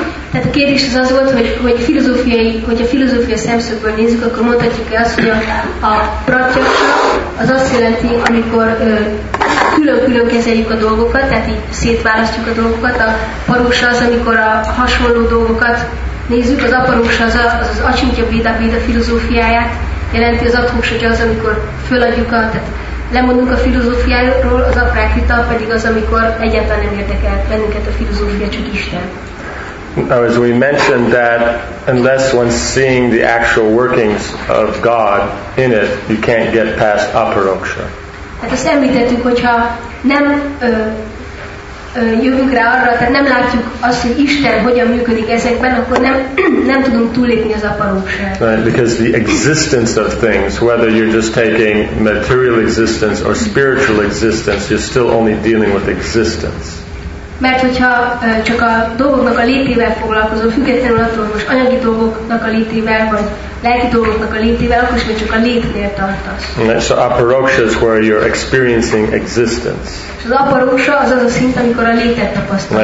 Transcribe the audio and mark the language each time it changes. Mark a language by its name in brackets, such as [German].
[Hungarian] Tehát a kérdés az az volt, hogy a filozófia szemszögből nézzük, akkor mondhatjuk-e azt, hogy a pratyaksa az azt jelenti, amikor külön-külön kezeljük a dolgokat, tehát így szétválasztjuk a dolgokat, a parósa az, amikor a hasonló dolgokat nézzük, az aparósa az acsintja véda filozófiáját jelenti, az atmósa az, amikor föladjuk a, tehát lemondunk a filozófiáról, az aprákita pedig az, amikor egyáltalán nem érdekel bennünket a filozófia, csak Isten. [English] Now, as we mentioned that unless one's seeing the actual workings of God in it, you can't get past aparoksha. [Hungarian] Hát azt említettük, hogyha nem jövünk rá arra, tehát nem látjuk azt, hogy Isten hogyan működik ezekben, akkor nem tudunk túllépni az aparoksát. [English] Right, because the existence of things, whether you're just taking material existence or spiritual existence, you're still only dealing with existence. [Hungarian] Mert hogyha csak a dolgoknak a létével foglalkozol, függetlenül attól, hogy most anyagi dolgoknak a létével, vagy lelki dolgoknak a létével, akkor sem csak a létnél tartasz. [English] So aparoksha is where you're experiencing existence. [Hungarian] Az aparoksha az a szint, amikor a létet tapasztalod.